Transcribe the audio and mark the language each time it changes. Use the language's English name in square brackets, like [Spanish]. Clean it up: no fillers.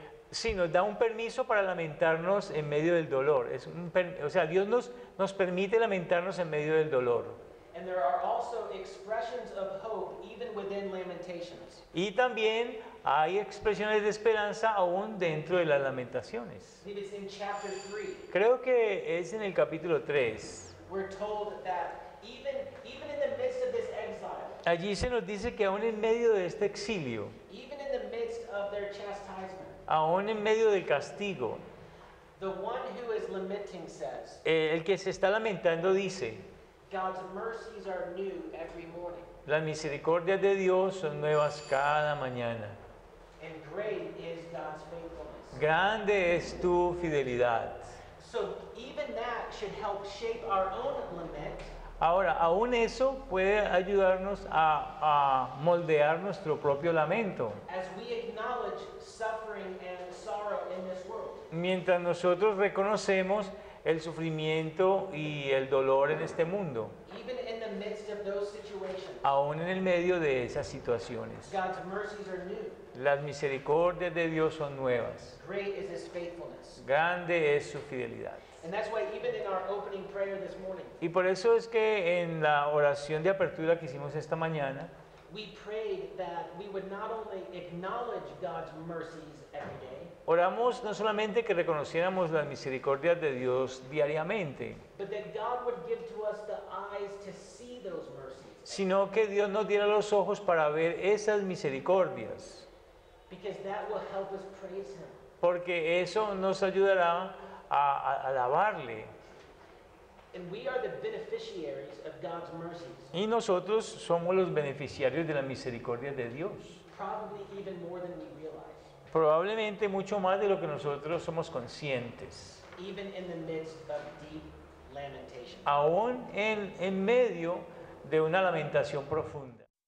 [Spanish] Sí, nos da un permiso para lamentarnos en medio del dolor. O sea, Dios nos permite lamentarnos en medio del dolor. [English] And there are also expressions of hope even within Lamentations. [Spanish] Y también hay expresiones de esperanza aún dentro de las Lamentaciones. [English] It's in chapter 3. [Spanish] Creo que es en el capítulo 3. [English] We're told that even in the midst of this exile. [Spanish] Allí se nos dice que aún en medio de este exilio. [English] Even in the midst of their chastisement. [Spanish] Aún en medio del castigo, [English] the one who is lamenting says, [Spanish] el que se está lamentando dice, [English] God's mercies are new every morning. [Spanish] Las misericordias de Dios son nuevas cada mañana. [English] And great is God's faithfulness. [Spanish] Grande es tu fidelidad. [English] So even that should help shape our own lament. [Spanish] Ahora, aún eso puede ayudarnos a moldear nuestro propio lamento. [English] As we acknowledge suffering and sorrow in this world. [Spanish] Mientras nosotros reconocemos el sufrimiento y el dolor en este mundo. [English] Even in the midst of those situations. [Spanish] Aún en el medio de esas situaciones. [English] God's mercies are new. [Spanish] Las misericordias de Dios son nuevas. [English] Great is his faithfulness. [Spanish] Grande es su fidelidad. [English] And that's why even in our opening prayer this morning. [Spanish] Y por eso es que en la oración de apertura que hicimos esta mañana, [English] We prayed that we would not only acknowledge God's mercies every day. [Spanish] Oramos no solamente que reconociéramos las misericordias de Dios diariamente, [English] but that God would give to us the eyes to see those mercies. [Spanish] Sino que Dios nos diera los ojos para ver esas misericordias. [English] Because that will help us praise him. [Spanish] Porque eso nos ayudará a alabarle. [English] And we are the beneficiaries of God's mercies. [Spanish] Y nosotros somos los beneficiarios de la misericordia de Dios. [English] Probably even more than we realize. [Spanish] Probablemente mucho más de lo que nosotros somos conscientes. [English] Even in the midst of deep lamentation. [Spanish] Aún en medio de una lamentación profunda.